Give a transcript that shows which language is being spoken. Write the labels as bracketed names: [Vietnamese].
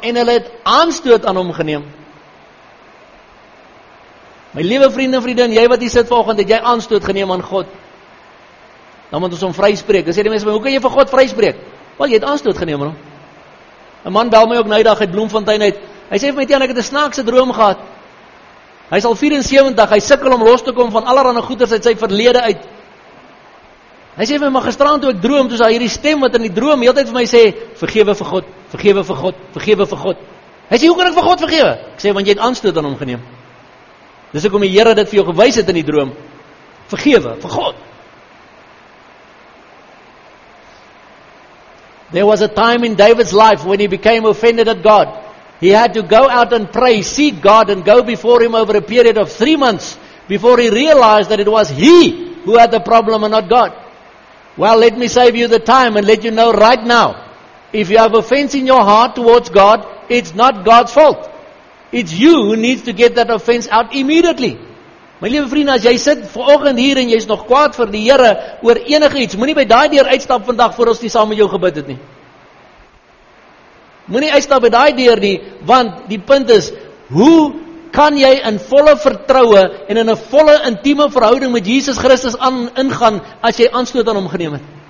[Afrikaans] En hulle het aanstoot aan hom geneem. My liewe vriende en vriendin, jy wat hier sit vanoggend, het jy aanstoot geneem aan God? Dan moet ons hom vryspreek. Dan sê die mense, hoe kan jy vir God vryspreek? Wel, jy het aanstoot geneem aan hom. 'N man bel my ook nydag uit Bloemfontein uit. Hy sê vir my, Tien, ek het 'n snaakse droom gehad. Hy is al 74, hy sikkel om los te kom van allerhande goeders uit sy verlede uit. Hy sê vir my, maar gisteraand toe ek droom, toe is daar hierdie stem wat in die droom heeltyd vir my sê, vergewe vir God, vergewe vir God, vergewe vir God. Hy sê, hoe kan ek vir God vergewe? Ek sê, want jy het aanstoot aan hom geneem. Dis ek om die Here dit vir jou gewys het in die droom. Vergewe vir God. [English] There was a time in David's life when he became offended at God. He had to go out and pray, seek God and go before him over a period of 3 months before he realized that it was he who had the problem and not God. Well, let me save you the time and let you know right now, if you have offense in your heart towards God, it's not God's fault. It's you who needs to get that offense out immediately. [Afrikaans] My liewe vriende, as jy sit vanoggend hier en jy is nog kwaad vir die Here oor enige iets, moenie by daai deur uitstap vandag voor ons nie saam met jou gebid het nie. Moenie uitstap by daai deur nie, want die punt is, hoe kan jy in volle vertroue en in 'n volle intieme verhouding met Jesus Christus ingaan as jy aanstoot aan hom geneem het?